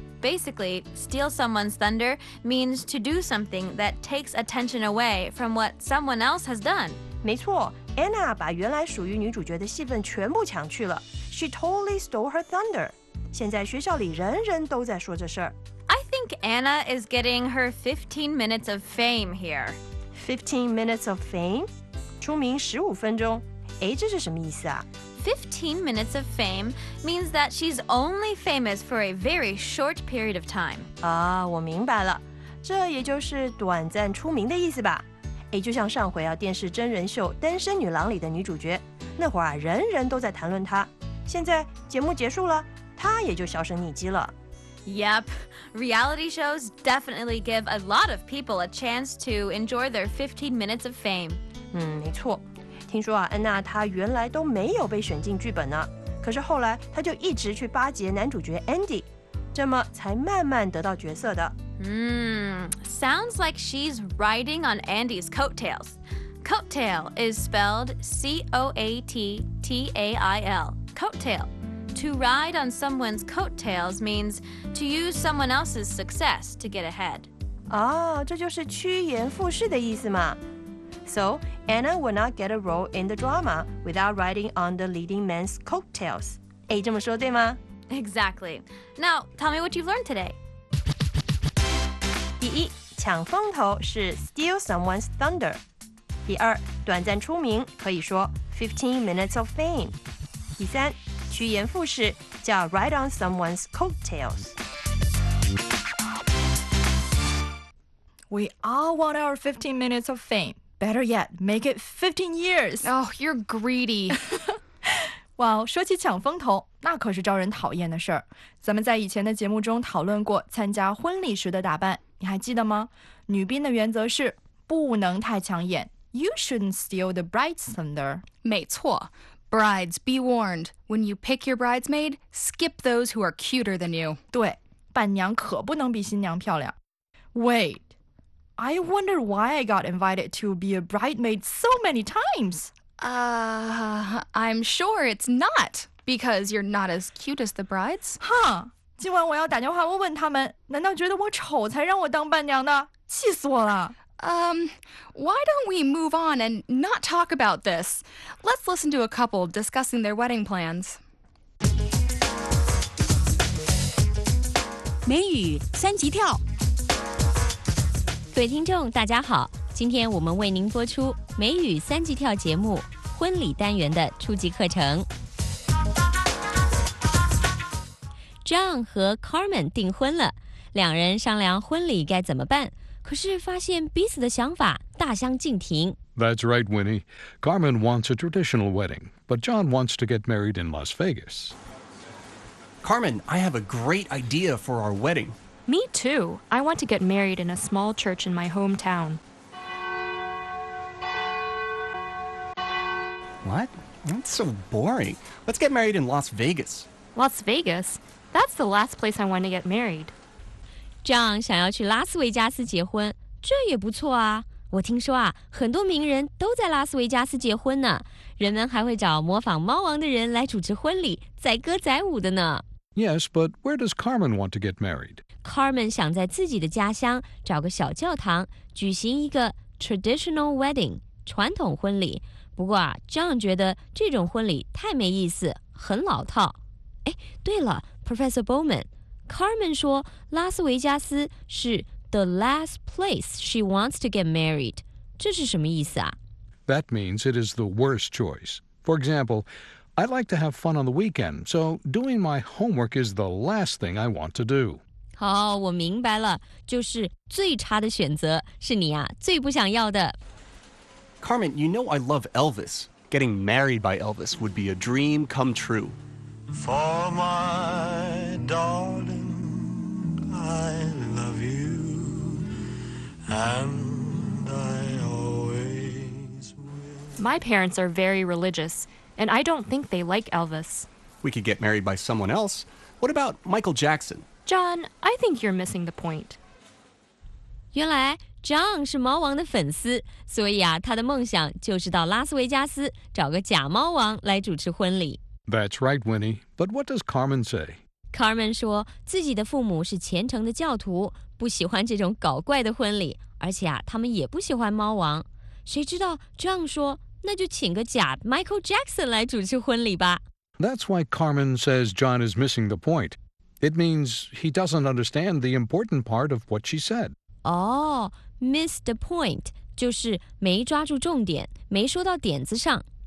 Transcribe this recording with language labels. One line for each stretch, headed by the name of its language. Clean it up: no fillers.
English: Basically, steal someone's thunder means to do something that takes attention away from what someone else has done.
Chinese: 没错 ,Anna 把原来属于女主角的戏份全部抢去了。
English: She totally stole her thunder.
Chinese: 现在学校里人人都在说这事儿。
English: I think Anna is getting her 15 minutes of fame here. 15 minutes of fame?
Chinese: 出名15分钟。哎，这是什么意思啊？
English: 15 minutes of fame means that she's only famous for a very short period of time.
Chinese: 啊，我明白了。这也就是短暂出名的意思吧。哎，就像上回啊，电视真人秀《单身女郎》里的女主角，那会儿啊，人人都在谈论她。现在节目结束了，她也就销声匿迹了。
English: Yep, reality shows definitely give a lot of people a chance to enjoy their 15 minutes of fame.
Chinese: 没错。听说啊，安娜她原来都没有被选进剧本呢，可是后来她就一直去巴结男主角 Andy, 这么才慢慢得到角色的。
English: Sounds like she's riding on Andy's coattails. Coattail is spelled C-O-A-T-T-A-I-L, coattail. To ride on someone's coattails means to use someone else's success to get ahead.
Chinese: 哦，这就是趋炎附势的意思嘛。
English: So, Anna will not get a role in the drama without riding on the leading man's coattails.
Chinese: 诶，这么说对吗？
English: Exactly. Now, tell me what you've learned today.
Chinese: 第一，抢风头是
English: steal someone's thunder.
Chinese: 第二，短暂出名可以说
English: 15 minutes of fame.
Chinese: 第三，趋炎附势叫
English: ride on someone's coattails. We all want our 15 minutes of fame. Better yet, make it 15 years. Oh, you're greedy.
Chinese: Wow, 说起抢风头，那可是招人讨厌的事儿。咱们在以前的节目中讨论过参加婚礼时的打扮，你还记得吗？女宾的原则是不能太抢眼。
English: You shouldn't steal the bride's thunder.
Chinese: 没错。
English: Brides, be warned. When you pick your bridesmaid, skip those who are cuter than you.
Chinese: 对，伴娘可不能比新娘漂亮。
English: Wait, I wonder why I got invited to be a bridesmaid so many times. I'm sure it's not because you're not as cute as the brides. Huh?
Chinese: 今晚我要打电话问问他们，难道觉得我丑才让我当伴娘的？气死我了！
English: Why don't we move on and not talk about this? Let's listen to a couple discussing their wedding plans.
Chinese: 美语三级跳。各位听众大家好，今天我们为您播出美语三级跳节目婚礼单元的初级课程。 John 和 Carmen 订婚了，两人商量婚礼该怎么办，可是发现彼此的想法大相径庭。
English: That's right, Winnie. Carmen wants a traditional wedding, but John wants to get married in Las Vegas. Carmen, I have a great idea for our wedding. Me too. I want to get married in a small church in my hometown. What? That's so boring. Let's get married in Las Vegas. Las Vegas? That's the last place I want to get married.
Chinese: John 想要去拉斯维加斯结婚，这也不错啊。我听说啊，很多名人都在拉斯维加斯结婚呢，人们还会找模仿猫王的人来主持婚礼，载歌载舞的呢。
English: Yes, but where does Carmen want to get married?
Chinese: Carmen 想在自己的家乡找个小教堂，举行一个
English: traditional wedding,
Chinese: 传统婚礼。不过啊， John 觉得这种婚礼太没意思，很老套。哎，对了， Professor Bowman,Carmen 说拉斯维加斯是
English: the last place she wants to get married.
Chinese: 这是什么意思啊？
English: That means it is the worst choice. For example, I like to have fun on the weekend, so doing my homework is the last thing I want to do.
Chinese: 好，我明白了，就是最差的选择是你啊，最不想要的。
English: Carmen, you know I love Elvis. Getting married by Elvis would be a dream come true. For my darling, I love you, and I always will. My parents are very religious, and I don't think they like Elvis. We could get married by someone else. What about Michael Jackson? John, I think you're missing the point.
Chinese: 原来 John 是猫王的粉丝，所以啊，他的梦想就是到拉斯维加斯找个假猫王来主持婚礼。
English: That's right, Winnie. But what does Carmen say?
Chinese: Carmen 说自己的父母是虔诚的教徒，不喜欢这种搞怪的婚礼，而且啊，他们也不喜欢猫王。谁知道 John 说，那就请个假 Michael Jackson 来主持婚礼吧。
English: That's why Carmen says John is missing the point. It means he doesn't understand the important part of what she said. Oh, miss the point
Chinese: 就是没抓住重点，没说到点子上。